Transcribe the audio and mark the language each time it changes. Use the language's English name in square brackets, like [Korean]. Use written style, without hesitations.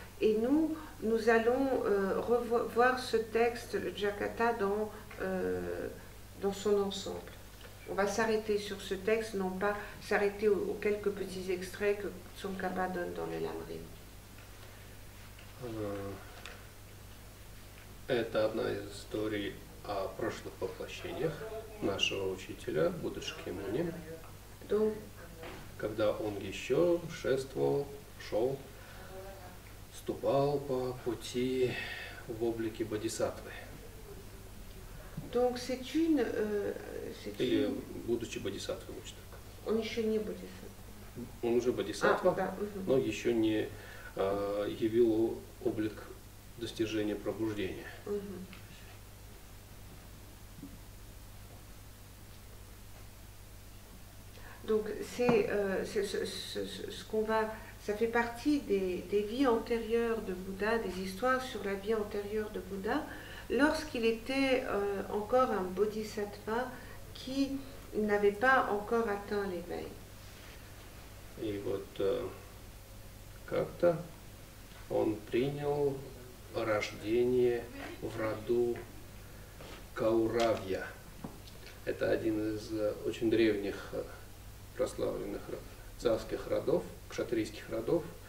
[French] Et nous, nous allons revoir ce texte, le Jakata, dans son ensemble. On va s'arrêter sur ce texte, non pas s'arrêter aux quelques petits extraits que Tsongkhapa donne dans le Lamrim. [Russian] Это одна из историй о прошлых воплощениях нашего учителя Будды Шакьямуни, когда он еще ступал по пути в облике бодхисаттвы. [French] Donc c'est une, [Russian] Или будучи бодхисаттвой, лучше так. Он еще не бодхисаттва. Он уже бодхисаттва, но еще не явил облик достижение пробуждения. [French] Donc c'est ce qu'on va, ça fait partie des vies antérieures de Bouddha, des histoires sur la vie antérieure de Bouddha, lorsqu'il était encore un bodhisattva qui n'avait pas encore atteint l'éveil. Et [Russian] вот как-то он принял рождение в роду Кауравья. Это один из очень древних прославленных царских родов, кшатрийских родов.